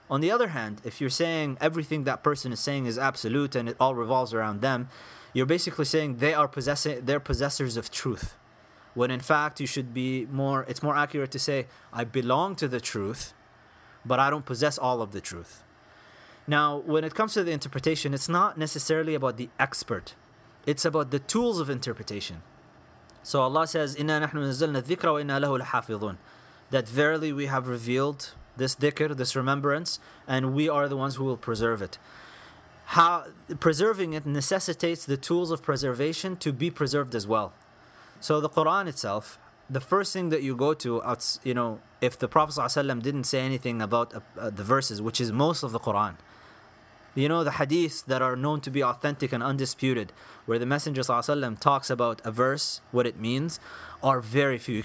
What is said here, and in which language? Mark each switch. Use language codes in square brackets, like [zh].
[en] On the other hand, if you're saying everything that person is saying is absolute and it all revolves around them, you're basically saying they're possessors of truth. When in fact, you should be more, it's more accurate to say, I belong to the truth, but I don't possess all of the truth. Now, when it comes to the interpretation, it's not necessarily about the expert. It's about the tools of interpretation. So Allah says, [ar] إِنَّا نَحْنُ نَزَّلْنَا الذِّكْرَ وَإِنَّا لَهُ لَحَافِظُونَ. [en] That verily we have revealed this dhikr, this remembrance, and we are the ones who will preserve it. How preserving it necessitates the tools of preservation to be preserved as well. So the Quran itself, the first thing that you go to, you know, if the Prophet ﷺ didn't say anything about the verses, which is most of the Quran, you know, the hadiths that are known to be authentic and undisputed, where the Messenger ﷺ talks about a verse, what it means, are very few.